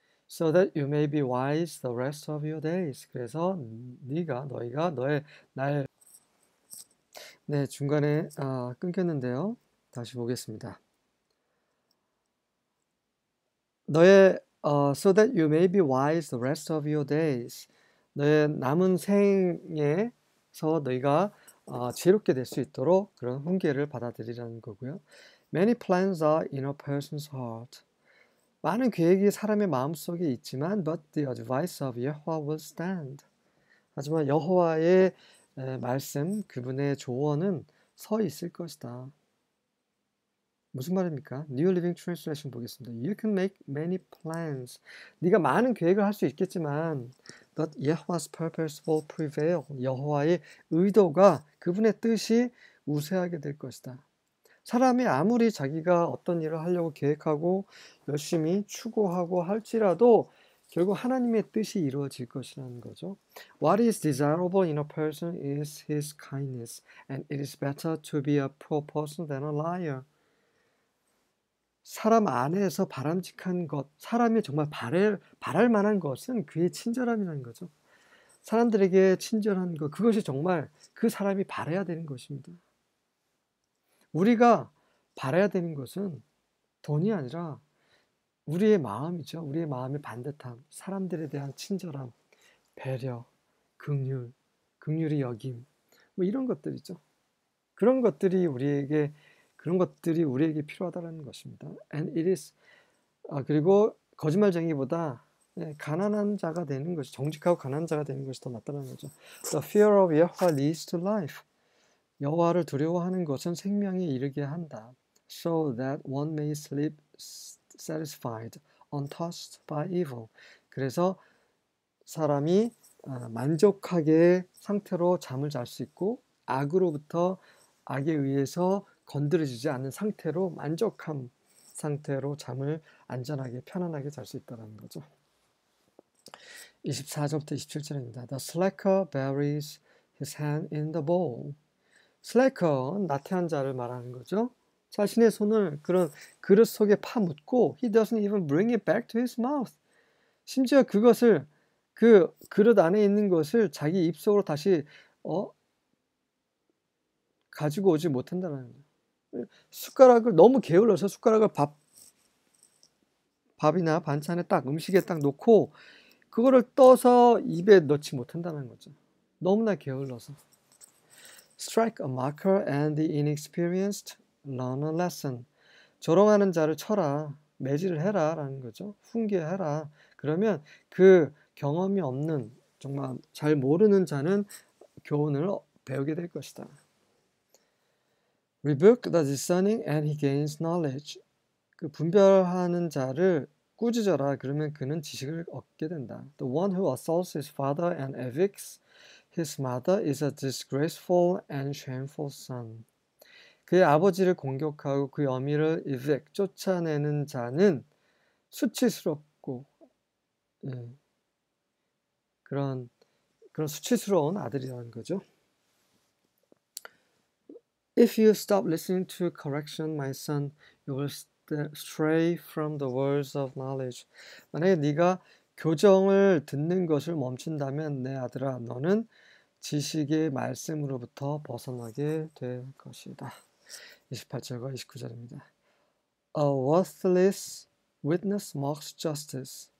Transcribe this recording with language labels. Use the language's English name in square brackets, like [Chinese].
[English] So that you may be wise the rest of your days. [Korean] 그래서 너희가 너의 날 네, 중간에 끊겼는데요. 다시 보겠습니다. 너의 [English] so that you may be wise the rest of your days. [Korean] 너의 남은 생에서 너희가 지혜롭게 될수 있도록 그런 훈계를 받아들이라는 거고요. [English] Many plans are in a person's heart. [Korean] 많은 계획이 사람의 마음속에 있지만, [English] but the advice of Yahweh will stand. [Korean] 하지만 여호와의 말씀, 그분의 조언은 서 있을 것이다. 무슨 말입니까? [English] New Living Translation [Korean] 보겠습니다. [English] You can make many plans. [Korean] 네가 많은 계획을 할수 있겠지만, [English] but Yahweh's purpose will prevail. [Korean] 여호와의 의도가, 그분의 뜻이 우세하게 될 것이다. 사람이 아무리 자기가 어떤 일을 하려고 계획하고 열심히 추구하고 할지라도 결국 하나님의 뜻이 이루어질 것이라는 거죠. [English] What is desirable in a person is his kindness, and it is better to be a poor person than a liar. [Korean] 사람 안에서 바람직한 것, 사람이 정말 바랄 만한 것은 그의 친절함이라는 거죠. 사람들에게 친절한 것, 그것이 정말 그 사람이 바라야 되는 것입니다. 우리가 바라야 되는 것은 돈이 아니라 우리의 마음이죠. 우리의 마음의 반듯함, 사람들에 대한 친절함, 배려, 긍휼, 긍휼의 여김, 뭐 이런 것들이죠. 그런 것들이 우리에게 필요하다는 것입니다. And it is, 그리고 거짓말쟁이보다 가난한 자가 되는 것이, 정직하고 가난한 자가 되는 것이 더 낫다는 거죠. [English] The fear of Yahweh leads to life. [Korean] 여호와를 두려워하는 것은 생명에 이르게 한다. [English] So that one may sleep satisfied, untouched by evil. [Korean] 그래서 사람이 만족하게 상태로 잠을 잘수 있고, 악으로부터 악에 의해서 건드려지지 않는 상태로, 만족한 상태로 잠을 안전하게, 편안하게 잘수 있다는 거죠. 24절부터 27절입니다. [English] The slacker buries his hand in the bowl. [Korean] 슬래커, 나태한 자를 말하는 거죠. 자신의 손을 그런 그릇 속에 파묻고, [English] he doesn't even bring it back to his mouth. [Korean] 심지어 그것을, 그 그릇 안에 있는 것을 자기 입속으로 다시, 가지고 오지 못한다는 거예요. 숟가락을, 너무 게을러서 숟가락을 밥이나 반찬에 딱, 음식에 딱 놓고, 그거를 떠서 입에 넣지 못한다는 거죠. 너무나 게을러서. [English] Strike a mocker and the inexperienced learn a lesson. [Korean] 조롱하는 자를 쳐라, 매질을 해라 라는 거죠. 훈계해라. 그러면 그 경험이 없는, 정말 잘 모르는 자는 교훈을 배우게 될 것이다. [English] Rebuke the discerning and he gains knowledge. [Korean] 그 분별하는 자를 꾸짖어라. 그러면 그는 지식을 얻게 된다. [English] The one who assaults his father and evicts His mother is a disgraceful and shameful son. [Korean] 그의 아버지를 공격하고 그의 어미를 evict, 쫓아내는 자는 수치스럽고, 그런 수치스러운 아들이라는 거죠. [English] If you stop listening to correction, my son, you will stray from the words of knowledge. [Korean] 만약에 네가 교정을 듣는 것을 멈춘다면, 내 아들아, 너는 지식의 말씀으로부터 벗어나게 될 것이다. 28절과 29절입니다. [English] A worthless witness mocks justice.